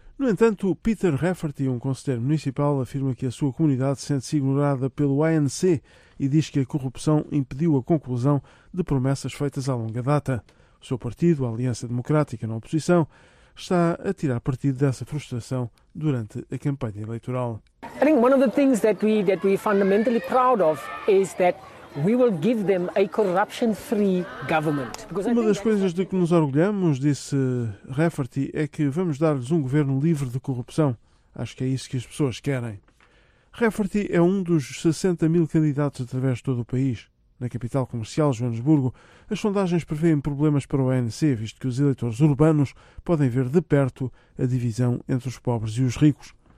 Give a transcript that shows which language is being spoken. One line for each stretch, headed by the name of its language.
Portuguese: No entanto, Peter Rafferty, um conselheiro municipal, afirma que a sua comunidade sente-se ignorada pelo ANC e diz que a corrupção impediu a conclusão de promessas feitas à longa data. O seu partido, a Aliança Democrática na oposição, está a tirar partido dessa frustração durante a campanha eleitoral.
English: I think one of the things that we fundamentally proud of is that we will give them a corruption-free government.
Portuguese: Uma das coisas de que nos orgulhamos, disse Rafferty, é que vamos dar-lhes um governo livre de corrupção. Acho que é isso que as pessoas querem. Rafferty é um dos 60 mil candidatos através de todo o país. Na capital comercial, Joanesburgo, as sondagens prevêem problemas para o ANC, visto que os eleitores urbanos podem ver de perto a divisão entre os pobres e os ricos.